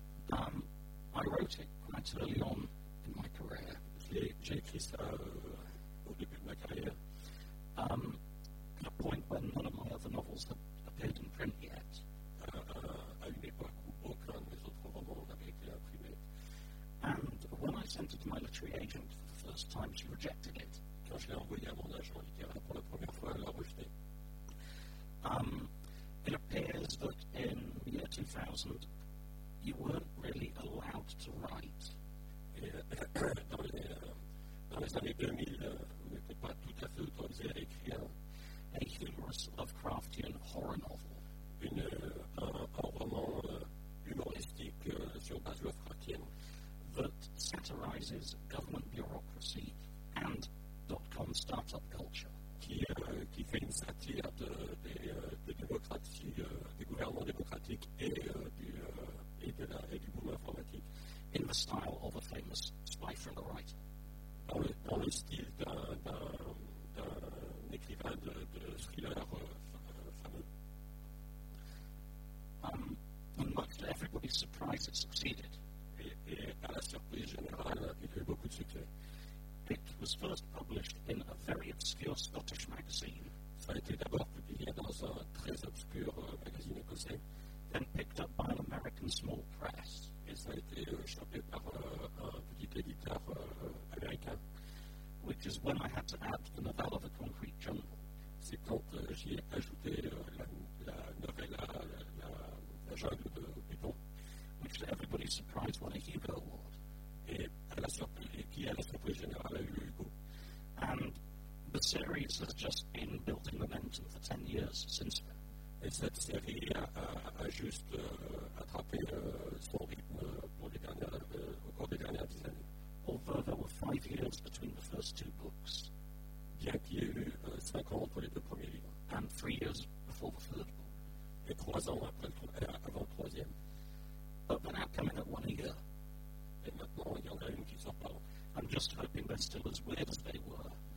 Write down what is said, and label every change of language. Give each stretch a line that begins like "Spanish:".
English: I wrote it quite early on in my career.
French: J'ai écrit ça au début de ma carrière.
English: At a point when none of my other novels had appeared in print yet.
French: À une époque où aucun des autres romans n'avait été imprimé.
English: And when I sent it to my literary agent for the first time, she rejected it.
French: Quand je l'ai envoyé à mon agent littéraire pour la première fois, elle l'a rejeté.
English: It appears that in the year 2000, you weren't really allowed to write.
French: Dans les années 2000, vous n'étiez pas tout à fait autorisé à écrire
English: a humorous Lovecraftian horror novel.
French: Un roman humoristique sur base Lovecraftienne.
English: That satirizes government bureaucracy and dot-com startup culture.
French: Qui fait une satire de démocratie, des gouvernements démocratiques et du boom informatique.
English: In the style of a famous spy thriller writer.
French: Dans le style d'un écrivain de thriller fameux.
English: And much to everybody's surprise, it succeeded.
French: Et à la surprise générale, il a eu beaucoup de succès.
English: It was first published in a very obscure Scottish magazine.
French: Ça a été d'abord publié dans un très obscur magazine écossais.
English: Then picked up by an American small press.
French: Et ça a été chopé par un petit éditeur américain.
English: Which is when I had to add the novella of a concrete jungle.
French: C'est quand j'y ai ajouté la novella, la jungle de béton.
English: Which to everybody's surprise won a Hugo Award.
French: Et à la surprise générale a eu le Hugo.
English: And the series has just been building momentum for 10 years since then.
French: Et cette série a juste attrapé son rythme au cours des dernières 10 années.
English: Although there were 5 years between the first two books.
French: Bien qu'il y ait eu 5 ans entre les deux premiers livres.
English: And 3 years before the third book.
French: Et 3 ans avant le troisième.
English: But they're now coming at 1 a year.
French: Et maintenant, il y en a une qui sort pas.
English: I'm just hoping they're still as weird as they were.